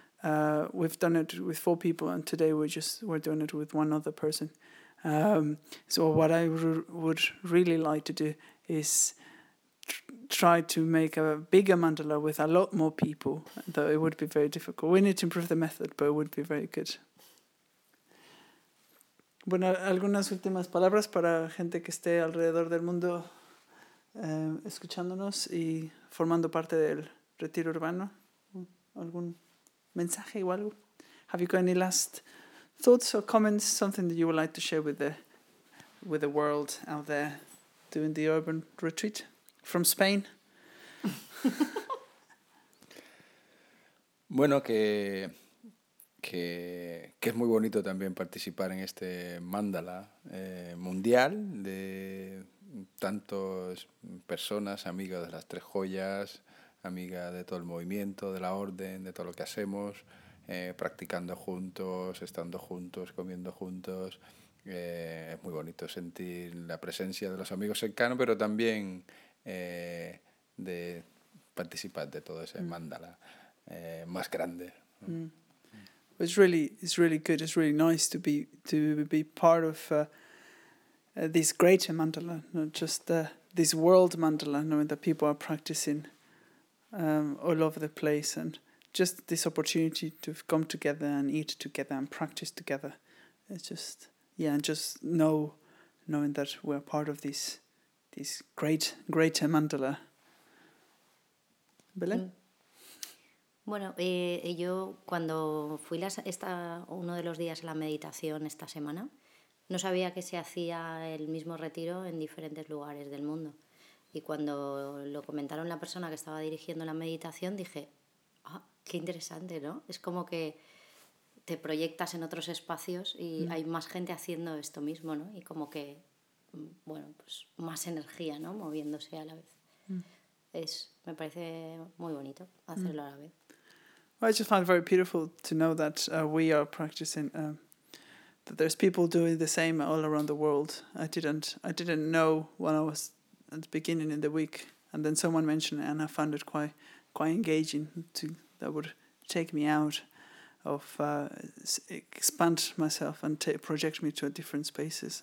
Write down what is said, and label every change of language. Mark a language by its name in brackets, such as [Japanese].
[English] We've done it with four people, and today we're doing it with one other person. So what I would really like to do is try to make a bigger mandala with a lot more people, though it would be very difficult. We need to improve the method, but it would be very good. [Spanish] Bueno, algunas últimas palabras para gente que esté alrededor del mundo escuchándonos y formando parte del retiro urbano. ¿Algún mensaje o algo? [English] Have you got any last thoughts or comments, something that you would like to share with the world out there doing the urban retreat from Spain? [Spanish] Bueno, que que es muy bonito también participar en este mandala mundial de tantas personas, amigas de las Tres Joyas, amiga de todo el movimiento, de la orden, de todo lo que hacemos, practicando juntos, estando juntos, comiendo juntos. Es muy bonito sentir la presencia de los amigos cercanos, pero también de participar de todo ese mandala más grande. [English] It's really good. It's really nice to be part of this great mandala, not just this world mandala, knowing that people are practicing all over the place, and just this opportunity to come together and eat together and practice together. It's just, yeah, and just knowing that we're part of this great, great mandala. [Spanish] Belén? Bueno, yo cuando fui uno de los días a la meditación esta semana, no sabía que se hacía el mismo retiro en diferentes lugares del mundo. Y cuando lo comentaron la persona que estaba dirigiendo la meditación, dije, ah, qué interesante, ¿no? Es como que te proyectas en otros espacios y hay más gente haciendo esto mismo, ¿no? Y como que, bueno, pues más energía, ¿no? Moviéndose a la vez. Me parece muy bonito hacerlo a la vez. [English] I just find it very beautiful to know that we are practicing, that there's people doing the same all around the world. I didn't know when I was at the beginning in the week, and then someone mentioned it, and I found it quite engaging. That would take me out of, expand myself and project me to different spaces.